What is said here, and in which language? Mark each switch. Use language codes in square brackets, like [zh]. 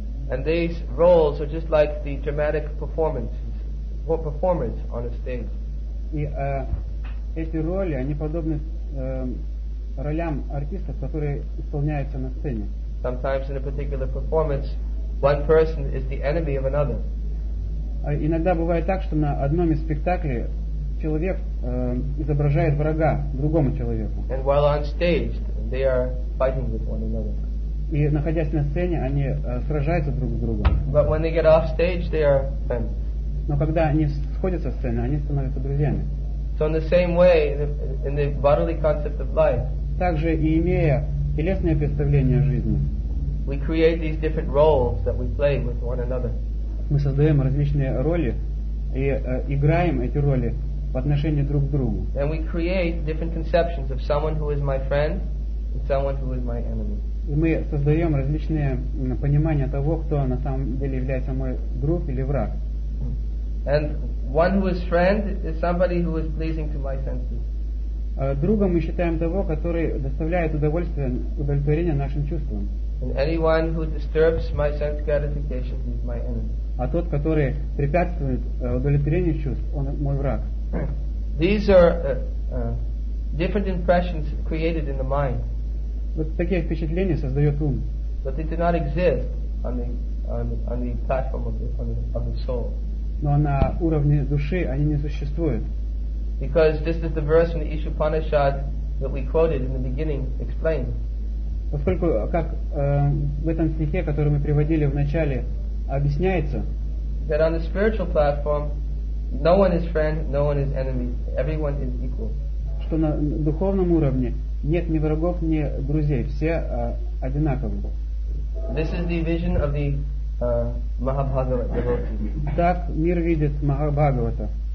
[en] And these roles are just like the dramatic performances or performers on a stage. [ru] И эти роли, они подобны ролям артистов, которые исполняются на сцене. [en] Sometimes in a particular performance, one person is the enemy of another. [ru] Иногда бывает так, что на одном из спектаклей человек изображает врага другому человеку. [en] And while on stage, they are fighting with one another. [ru] И находясь на сцене, они сражаются друг с другом. [en] But when they get off stage, they are friends. [ru] Но когда они сходят со сцены, они становятся друзьями. [en] So in the same way, in the bodily concept of life, [ru] также и имея телесное представление о жизни, [en] we create these different roles that we play with one another. [ru] Мы создаем различные роли и играем эти роли по отношению друг к другу. [en] And we create different conceptions of someone who is my friend and someone who is my enemy. [ru] И мы создаем различные понимания того, кто на самом деле является мой друг или враг. [en] And one who is friend is somebody who is pleasing to my senses. [ru] Другом мы считаем того, который доставляет удовлетворение нашим чувствам. [en] And anyone who disturbs my sense gratification is my enemy. [ru] А тот, который препятствует удовлетворению чувств, он мой враг. [en] These are different impressions created in the mind. [ru] Вот такие впечатления создает ум. [en] But they do not exist on the platform of the soul. [ru] Но на уровне души они не существуют. [en] Because this is the verse in the Ishupanishad that we quoted in the beginning explained. [ru] Поскольку как в этом стихе, который мы приводили в начале, объясняется. [en] That on the spiritual platform, no one is friend, no one is enemy. Everyone is equal. [ru] Что на духовном уровне нет ни врагов, ни друзей, все одинаковы. [en] This is the vision of the Mahabhagavata. [ru] Так мир видит Махабхагавата.